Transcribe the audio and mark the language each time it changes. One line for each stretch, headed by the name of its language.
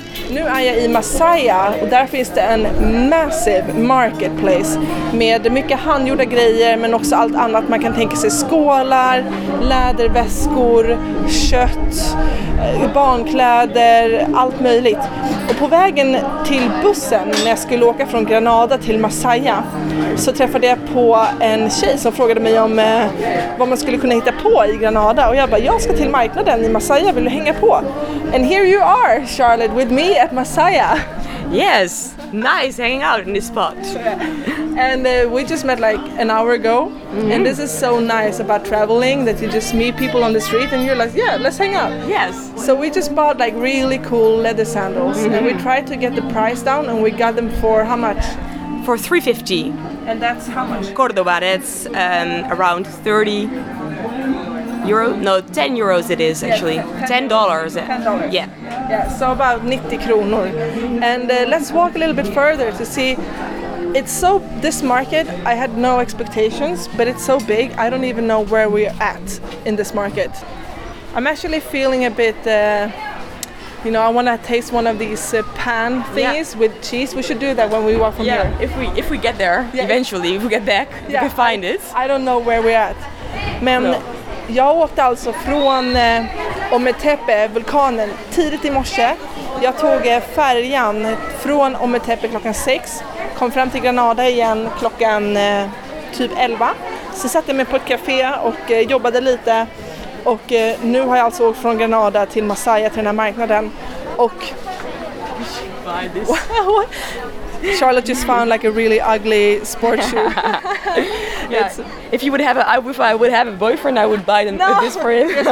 Swedish: Nu är jag i Masaya och där finns det en
English: massive marketplace
Swedish: med mycket handgjorda grejer, men också allt annat man kan tänka sig, skålar, läderväskor, kött, barnkläder, allt möjligt. Och på vägen till bussen när jag skulle åka från Granada till Masaya så träffade jag på en tjej som frågade mig om vad man skulle kunna hitta på i Granada. Och jag bara, jag ska till marknaden i Masaya, vill du hänga på?
English: And here you are, Charlotte, with me at Masaya. Yes, nice hanging out in this spot. And we just met like an hour ago. Mm-hmm. And this is so nice about traveling, that you just meet people on the street and you're like, yeah, let's hang out. Yes. So we just bought like really cool leather sandals. Mm-hmm. And we tried to get the price down, and we got them for how much? For $350. And that's how much? Cordoba, that's around 30 euro. No, 10 euros it is actually. $10. $10. Yeah. Yeah, so about 90 kronor. And let's walk a little bit further to see. This market, I had no expectations, but it's so big, I don't even know where we're at in this market. I'm actually feeling a bit you know, I want to taste one of these pan things with cheese. We should do that when we walk from here. If we get there, eventually, if we get back, we can find it. I don't know where we're at.
Swedish: Men, no. Jag åkte alltså från Ometepe-vulkanen tidigt i morse. Jag tog färjan från Ometepe klockan 6, kom fram till Granada igen klockan typ 11. Så satte jag mig på ett café och jobbade lite. Och nu har jag alltså åkt från Granada till Masaya, till den här marknaden. Och...
English: Charlotte just found like a really ugly sports shoe. If you would have a, if I would have a boyfriend, I would buy them this for him.